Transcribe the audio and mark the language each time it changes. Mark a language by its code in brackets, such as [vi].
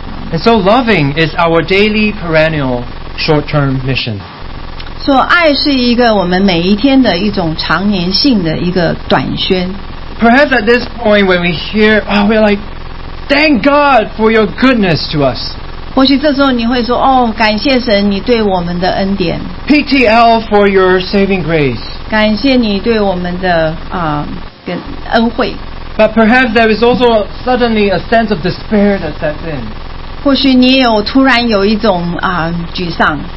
[en] and so loving is our daily perennial short-term mission [zh] 所以爱是一个我们每一天的一种常年性的一个短宣 [en] Perhaps at this point when we hear oh, we're like thank God for your goodness to us [zh] 或许这时候你会说 oh, 感谢神你对我们的恩典 [en] PTL for your saving grace [zh] 感谢你对我们的 恩惠 [en] But perhaps there is also suddenly a sense of despair that sets in [zh] 或许你也有突然有一种 沮丧